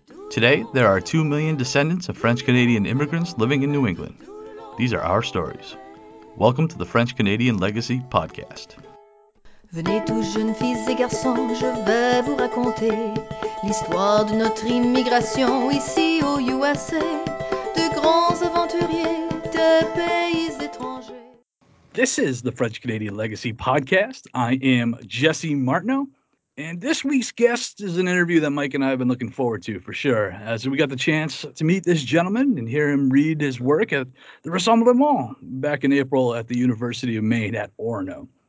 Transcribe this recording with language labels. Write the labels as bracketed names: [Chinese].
[English] Today, there are 2 million descendants of French-Canadian immigrants living in New England. These are our stories. Welcome to the French-Canadian Legacy Podcast. [French] Venez tous jeunes filles et garçons, je vais vous raconter l'histoire de notre immigration ici aux USA. De grands aventuriers, de pays étrangers. [English] This is the French-Canadian Legacy Podcast. I am Jesse Martineau. And this week's guest is an interview that Mike and I have been looking forward to, for sure, as we got the chance to meet this gentleman and hear him read his work at the Rassemblement back in April at the University of Maine at Orono.